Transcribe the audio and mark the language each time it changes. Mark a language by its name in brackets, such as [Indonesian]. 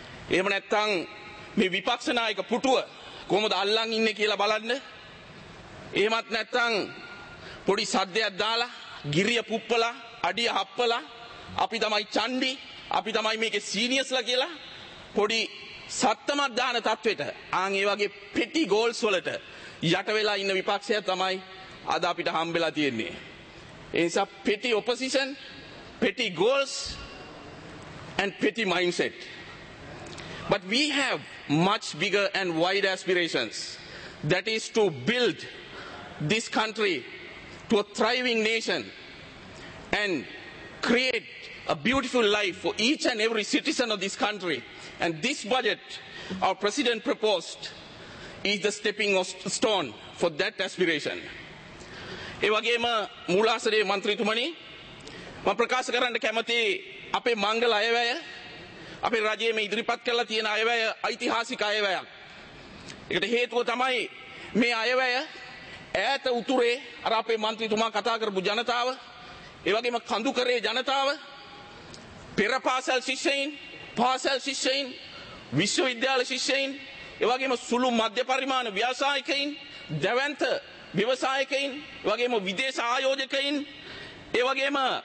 [Sinhala] එහෙම නැත්නම් මේ විපක්ෂ නායක පුටුව කොහොමද අල්ලන් ඉන්නේ කියලා බලන්න, එහෙමත් නැත්නම් පොඩි සද්දයක් දාලා ගිරිය පුප්පලා අඩිය හප්පලා අපි තමයි චණ්ඩි, අපි තමයි මේකේ සීනියර්ස්ලා කියලා පොඩි සත්තමක් දාන තත්වෙට, ආන් ඒ වගේ පෙටි ගෝල්ස් වලට යට වෙලා ඉන්න විපක්ෂය තමයි අද අපිට හම්බෙලා තියෙන්නේ. ඒ නිසා පෙටි ඔපොසිෂන්, පෙටි goals [English] and petty mindset, but we have much bigger and wide aspirations, that is to build this country to a thriving nation and create a beautiful life for each and every citizen of this country. And this budget our president proposed is the stepping stone for that aspiration. [Sinhala] E wage ma moolasare mantri thumani ma prakash karanna kemathi අපේ මංගල අයවැය, අපේ රජයේ මේ ඉදිරිපත් කරලා තියෙන අයවැය ඓතිහාසික අයවැයක්. ඒකට හේතුව තමයි මේ අයවැය ඈත උතුරේ අර අපේ මන්ත්‍රීතුමා කතා කරපු ජනතාව, ඒ වගේම කඳුකරේ ජනතාව, පෙර පාසල් ශිෂ්‍යයින්, පාසල් ශිෂ්‍යයින්, විශ්වවිද්‍යාල ශිෂ්‍යයින්, ඒ වගේම සුළු මධ්‍ය පරිමාණ ව්‍යවසායකයින්, දැවැන්ත ව්‍යවසායකයින්, ඒ වගේම විදේශ ආයෝජකයින්, ඒ වගේම